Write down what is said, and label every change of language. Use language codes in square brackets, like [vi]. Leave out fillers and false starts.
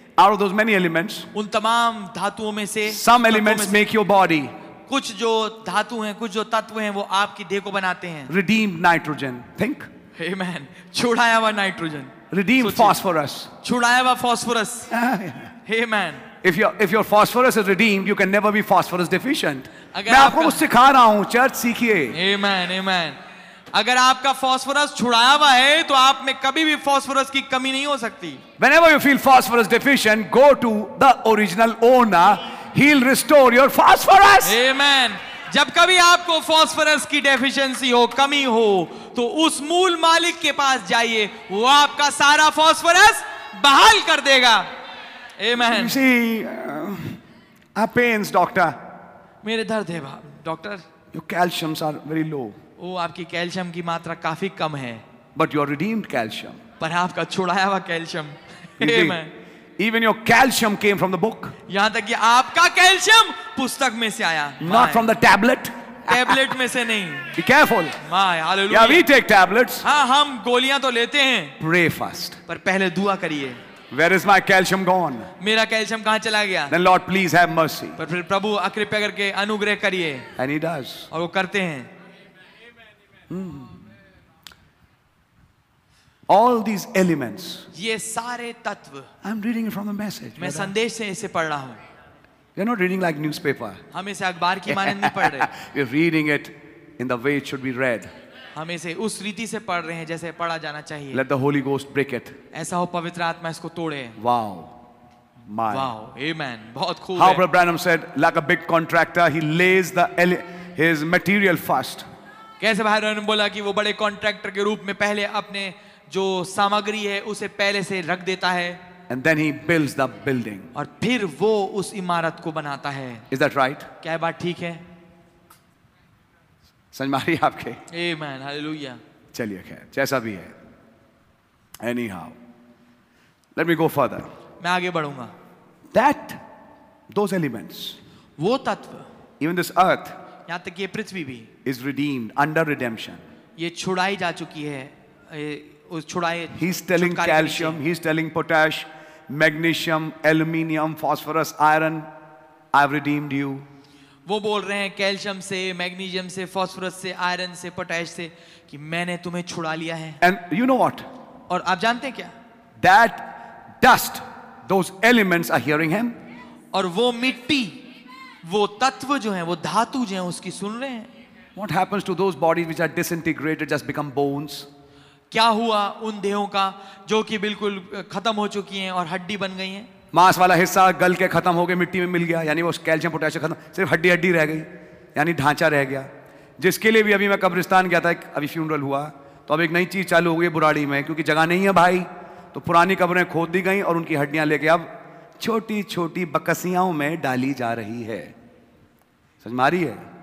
[en] Out of those many elements, [hi] उन तमाम धातुओं में से [en] some elements make your body. [hi] कुछ जो धातु हैं, कुछ जो तत्व हैं, वो आपकी देह को बनाते हैं. [en] Redeemed nitrogen, think. Amen. [hi] छुड़ाया हुआ nitrogen. [en] Redeemed phosphorus. [hi] छुड़ाया हुआ phosphorus. [en] Amen. If your phosphorus is redeemed, you can never be phosphorus deficient. [hi] मैं आपको कुछ सिखा रहा हूँ, church सीखिए. [en] Amen. Amen. [hi] अगर आपका phosphorus छुड़ाया हुआ है, तो आप में कभी भी phosphorus की कमी नहीं हो सकती. [en] Whenever you feel phosphorus deficient, go to the original owner. He'll restore your phosphorus. Amen. [hi] जब कभी आपको phosphorus की deficiency हो, कमी हो, तो उस मूल मालिक के पास जाइए, वो आपका सारा phosphorus बहाल कर देगा. [en] Amen. You see, our pains, doctor. [hi] मेरे दर्द है बाप, doctor. [en] Your calciums are very low. [hi] ओ, आपकी calcium की मात्रा काफी कम है. [en] But you are redeemed calcium. [hi] पर आपका छुड़ाया हुआ calcium. [en] Amen. Even your calcium came from the book. [hi] यहाँ तक कि आपका calcium पुस्तक में से आया. [en] Not from the tablet. [hi] Tablet में से नहीं. [en] Be careful. My hallelujah. Yeah, we take tablets. [hi] हाँ, हम गोलियाँ तो लेते हैं. [en] Pray first. [hi] पर पहले दुआ करिए. [en] Where is my calcium gone? [hi] मेरा calcium कहाँ चला गया? [en] Then Lord, please have mercy. [hi] पर फिर प्रभु कृपा करके अनुग्रह करिए. [en] And He does. [hi] और वो करते हैं. [en] All these elements. [hi] ये सारे तत्व. [en] I'm reading it from the message. [hi] मैं संदेश से इसे पढ़ रहा हूँ. [en] You're not reading like newspaper. [hi] हम इसे अखबार की मानन नहीं पढ़ रहे. [en] We're reading it in the way it should be read. [hi] हम इसे उस रीति से पढ़ रहे हैं जैसे पढ़ा जाना चाहिए. [en] Let the Holy Ghost break it. [hi] ऐसा हो पवित्र आत्मा इसको तोड़े. [en] Wow. My. [hi] Wow. Amen. बहुत खूब. [en] How Brother Branham said, like a big contractor, he lays his material first. [hi] कैसे भाई ब्रैनम बोला कि वो बड़े कॉन्ट्रैक्टर के रूप में पहले अपने जो सामग्री है उसे पहले से रख देता है. [en] And then he builds the building. [hi] और फिर वो उस इमारत को बनाता है. [en] Is that right? [hi] क्या बात ठीक है? समझ में आ रही है आपके? [en] Amen, hallelujah. [hi] चलिए खैर, जैसा भी है. [en] Anyhow, let me go further. [hi] मैं आगे बढ़ूंगा. [en] Those elements. [hi] वो तत्व. [en] Even this earth. [hi] यहाँ तक ये पृथ्वी भी. [en] Is redeemed under redemption. [hi] ये छुड़ाई जा चुकी है. [en] He's telling calcium, he's telling potash, magnesium, aluminium, phosphorus, iron, I've redeemed you. [hi] वो बोल रहे हैं calcium से, magnesium से, phosphorus से, iron से, potash से कि मैंने तुम्हें छुड़ा लिया है. [en] And you know what? [hi] और आप जानते हैं क्या? [en] That dust, those elements are hearing him. [hi] और वो मिट्टी, वो तत्व जो हैं, वो धातु जो हैं, उसकी सुन रहे हैं. [en] What happens to those bodies which are disintegrated, just become bones? [hi] क्या हुआ उन देहों का जो कि बिल्कुल खत्म हो चुकी हैं और हड्डी बन गई हैं? मांस वाला हिस्सा गल के खत्म हो गया, मिट्टी में मिल गया, यानी वो कैल्शियम पोटेशियम खत्म, सिर्फ हड्डी हड्डी रह गई, यानी ढांचा रह गया. जिसके लिए भी अभी मैं कब्रिस्तान गया था, अभी फ्यूनरल हुआ, तो अब एक नई चीज चालू हो गई बुराड़ी में, क्योंकि जगह नहीं है भाई, तो पुरानी कब्रें खोद दी गई और उनकी हड्डियां लेके अब छोटी छोटी बकसियाओं में डाली जा रही है. समझ मारी है?